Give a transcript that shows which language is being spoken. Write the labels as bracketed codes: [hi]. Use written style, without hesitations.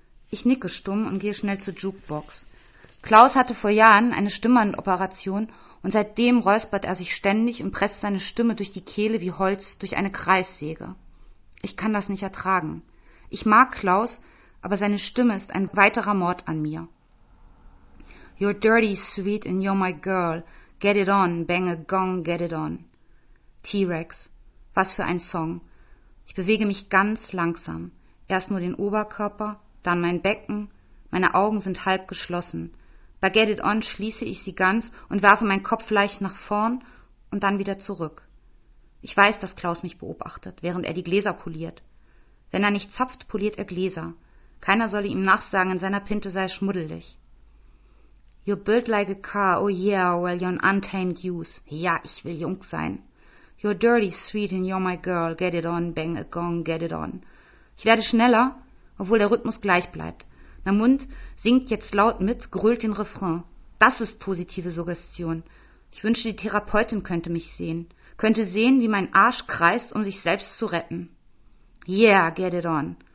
[de] Ich nicke stumm und gehe schnell zur Jukebox. Klaus hatte vor Jahren eine Stimmbandoperation und seitdem räuspert er sich ständig und presst seine Stimme durch die Kehle wie Holz durch eine Kreissäge. Ich kann das nicht ertragen. Ich mag Klaus, aber seine Stimme ist ein weiterer Mord an mir. [en] You're dirty, sweet, and you're my girl. Get it on, bang a gong, get it on. T-Rex, [de] was für ein Song. Ich bewege mich ganz langsam. Erst nur den Oberkörper, dann mein Becken. Meine Augen sind halb geschlossen. Bei Get It On schließe ich sie ganz und werfe meinen Kopf leicht nach vorn und dann wieder zurück. Ich weiß, dass Klaus mich beobachtet, während er die Gläser poliert. Wenn er nicht zapft, poliert er Gläser. Keiner solle ihm nachsagen, in seiner Pinte sei er schmuddelig. [en] You're built like a car, oh yeah, well you're an untamed youth. [de] Ja, ich will jung sein. [en] You're dirty, sweet, and you're my girl. Get it on, bang a gong, get it on. [de] Ich werde schneller, obwohl der Rhythmus gleich bleibt. Mein Mund singt jetzt laut mit, grölt den Refrain. Das ist positive Suggestion. Ich wünschte, die Therapeutin könnte mich sehen. Könnte sehen, wie mein Arsch kreist, um sich selbst zu retten. [en] Yeah, get it on.